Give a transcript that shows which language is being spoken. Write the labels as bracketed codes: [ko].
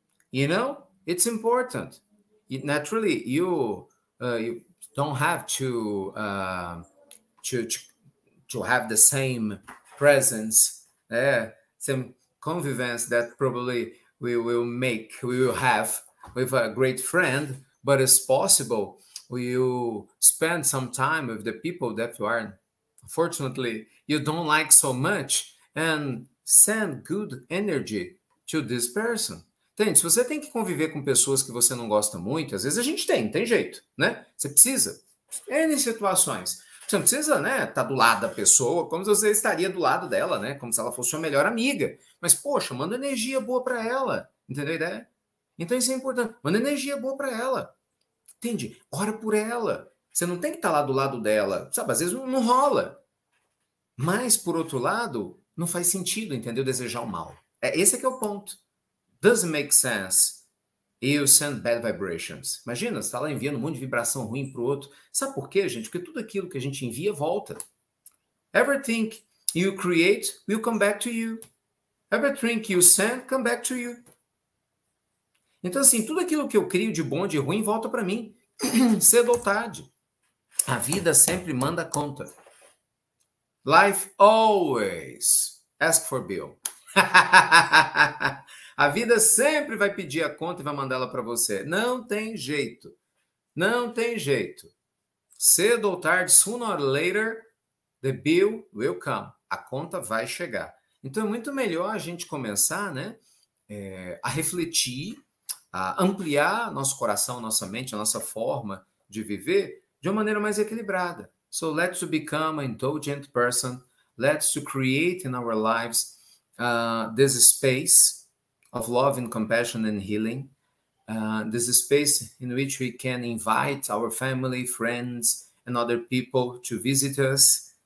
[en] You know, it's important. It, naturally, you don't have to have the same presence, same convivence that probably we will have with a great friend, but it's possible you spend some time with the people that you are, unfortunately, you don't like so much, and send good energy to this person. [pt] Tem, se você tem que conviver com pessoas que você não gosta muito, às vezes a gente tem jeito, né? Você precisa. N situações. Você não precisa, né, estar do lado da pessoa como se você estaria do lado dela, né? Como se ela fosse sua melhor amiga. Mas, poxa, manda energia boa para ela. Entendeu a ideia? Então isso é importante. Manda energia boa para ela. Entende? Ora por ela. Você não tem que estar lá do lado dela. Sabe, às vezes não rola. Mas, por outro lado, não faz sentido, entendeu? Desejar o mal. Esse é que é o ponto. [en] Doesn't make sense. You send bad vibrations. [pt] Imagina, você está lá enviando um monte de vibração ruim para o outro. Sabe por quê, gente? Porque tudo aquilo que a gente envia volta. [en] Everything you create will come back to you. Everything you send come back to you. [pt] Então, assim, tudo aquilo que eu crio de bom, de ruim, volta para mim. Cedo ou tarde. A vida sempre manda conta. [en] Life always ask for bill. [pt] A vida sempre vai pedir a conta e vai mandar ela para você. Não tem jeito. Não tem jeito. Cedo ou tarde, [en] sooner or later, the bill will come. [pt] A conta vai chegar. Então, é muito melhor a gente começar, né, a refletir, a ampliar nosso coração, nossa mente, a nossa forma de viver de uma maneira mais equilibrada. [en] So let's become an indulgent person. Let's create in our lives this space of love and compassion and healing. This space in which we can invite our family, friends, and other people to visit us.